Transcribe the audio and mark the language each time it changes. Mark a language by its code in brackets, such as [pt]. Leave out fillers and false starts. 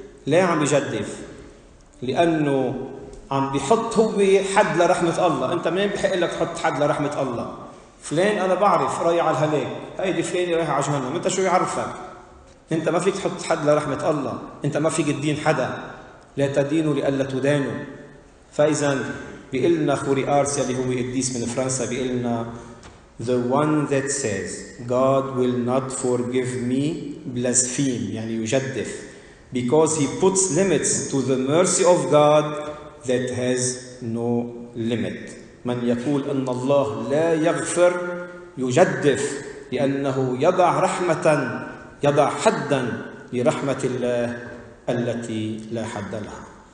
[ar] ليه عم بجدف؟ لانه عم بيحط هو حد لرحمه الله. انت منين بحق لك تحط حد لرحمه الله؟ فلان انا بعرف راي على الهلاك، هيدي فلان رايح على جهنم، انت شو يعرفك؟ انت ما فيك تحط حد لرحمه الله، انت ما فيك تدين حدا، لا تدينوا لئلا تدانوا. فاذا بيقلنا خوري ارسيا اللي هو قديس من فرنسا بيقلنا [en] The one that says God will not forgive me blaspheme, [ar] يعني يجدف, [en] because he puts limits to the mercy of God that has no limit. [ar] من يقول أن الله لا يغفر يجدف، لأنه يضع رحمة يضع حدا لرحمة الله التي لا حد لها.